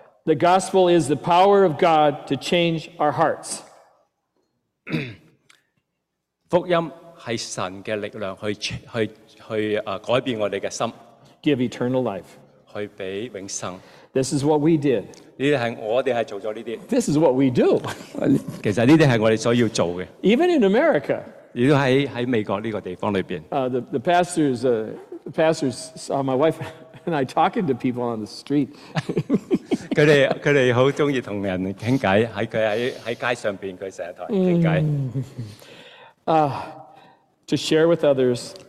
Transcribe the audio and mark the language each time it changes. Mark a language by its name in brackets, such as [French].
[English] The gospel is the power of God to change our hearts. [Cantonese] 福音系神嘅力量去改变我哋嘅心。 [English] Give eternal life. [Cantonese] 去俾永生。 [English] This is what we did. [Cantonese] 呢啲系我哋系做咗呢啲。 [English] This is what we do. [Cantonese] 其实呢啲系我哋所要做嘅。 [English] Even in America. [Cantonese] 亦都喺美国呢个地方里边。 [English] The pastors saw my wife and I talking to people on the street. [Cantonese] 佢哋好中意同人倾偈，喺街上边佢成日同人倾偈。 [English] To share with others.